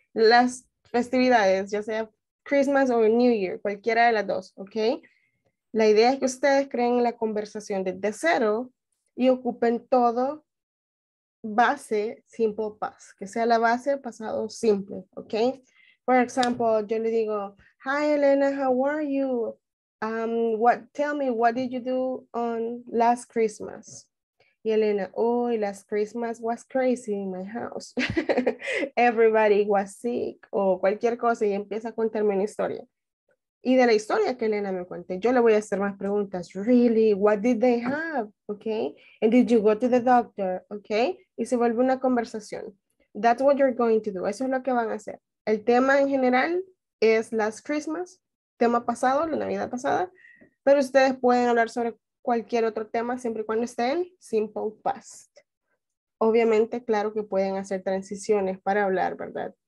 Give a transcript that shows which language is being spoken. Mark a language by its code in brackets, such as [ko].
[es] Las festividades, ya sea Christmas o New Year, cualquiera de las dos, ¿ok? La idea es que ustedes creen la conversación desde cero y ocupen todo base simple past, que sea la base pasado simple, ¿ok? [en] For example, [es] yo le digo, [en] hi Elena, how are you? Tell me, what did you do on last Christmas? Y Elena, oh, last Christmas was crazy in my house. Everybody was sick, [es] o cualquier cosa, y empieza a contarme una historia. Y de la historia que Elena me cuente, yo le voy a hacer más preguntas. [en] Really, what did they have? Okay, and did you go to the doctor? [es] Okay, y se vuelve una conversación. [en] That's what you're going to do. [es] Eso es lo que van a hacer. El tema en general es last Christmas, tema pasado, la Navidad pasada, pero ustedes pueden hablar sobre cualquier otro tema siempre y cuando estén simple past. Obviamente, claro que pueden hacer transiciones para hablar, ¿verdad?